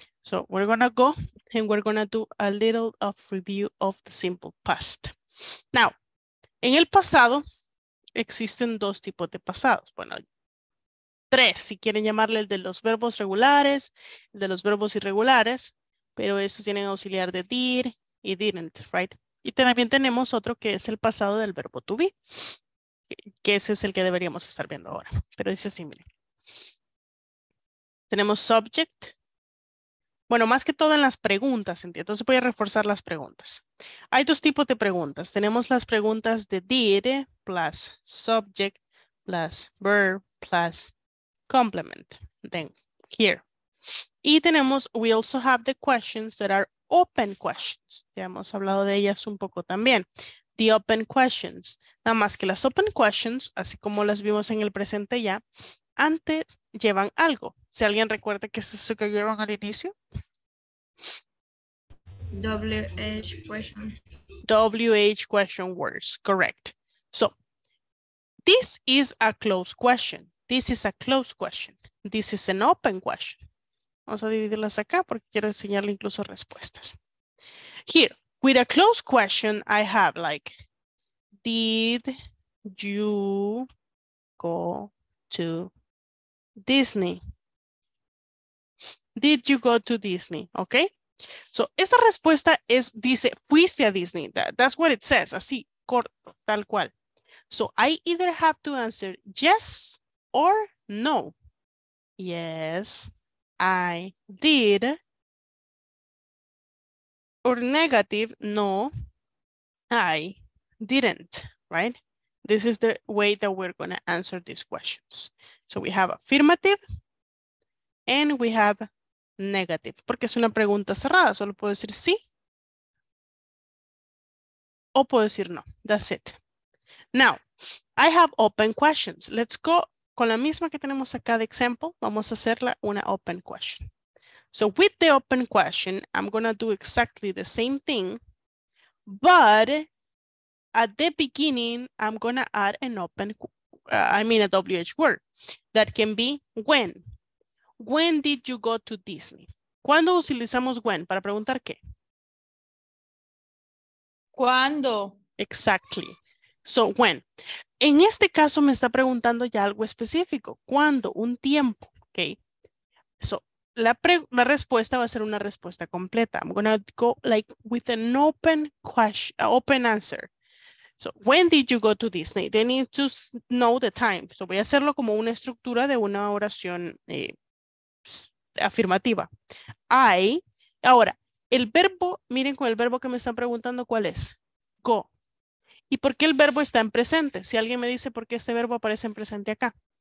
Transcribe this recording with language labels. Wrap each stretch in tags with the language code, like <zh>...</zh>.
<en>So we're gonna go and we're gonna do a little of review of the simple past.</en> <es>Now, en el pasado existen dos tipos de pasados. Bueno, tres, si quieren llamarle el de los verbos regulares, el de los verbos irregulares, pero estos tienen auxiliar de did y didn't, right? Y también tenemos otro que es el pasado del verbo to be, que ese es el que deberíamos estar viendo ahora. Pero dice así, miren. Tenemos subject. Bueno, más que todo en las preguntas, entonces voy a reforzar las preguntas. Hay dos tipos de preguntas. Tenemos las preguntas de did plus subject plus verb plus complement.</es> <en>Then here.</en> <es>Y tenemos,</es> <en>we also have the questions that are open questions.</en> <es>Ya hemos hablado de ellas un poco también.</es> <en>The open questions.</en> <es>Nada más que las open questions, así como las vimos en el presente ya, antes llevan algo. Si alguien recuerda qué es eso que llevan al inicio.</es> <en>WH question. WH question words. Correct. So, this is a closed question. This is a closed question. This is an open question.</en> <es>Vamos a dividirlas acá porque quiero enseñarle incluso respuestas.</es> <en>Here, with a closed question, I have like, did you go to Disney? Did you go to Disney? Okay.</en> <es>So, esta respuesta es, dice, fuiste a Disney.</es> <en>That's what it says.</en> <es>Así, corto, tal cual.</es> <en>So, I either have to answer yes or no. Yes, I did. Or negative, no, I didn't, right? This is the way that we're going to answer these questions. So we have affirmative and we have negative.</en> <es>Porque es una pregunta cerrada. Solo puedo decir sí o puedo decir no.</es> <en>That's it. Now, I have open questions. Let's go.</en> <es>Con la misma que tenemos acá de example, vamos a hacerla una open question.</es> <en>So with the open question, I'm going to do exactly the same thing, but at the beginning, I'm going to add an open, a WH word that can be when. When did you go to Disney?</en> <es>¿Cuándo utilizamos when? ¿Para preguntar qué? ¿Cuándo?</es> <en>Exactly. So when.</en> <es>En este caso me está preguntando ya algo específico. ¿Cuándo? Un tiempo. Okay. So la respuesta va a ser una respuesta completa.</es> <en>I'm going to go like with an open question, open answer. So when did you go to Disney? They need to know the time.</en> <es>So voy a hacerlo como una estructura de una oración afirmativa. Ahora, el verbo, miren con el verbo que me están preguntando, ¿cuál es? Go. ¿Y por qué el verbo está en presente? Si alguien me dice por qué este verbo aparece en presente acá.</es>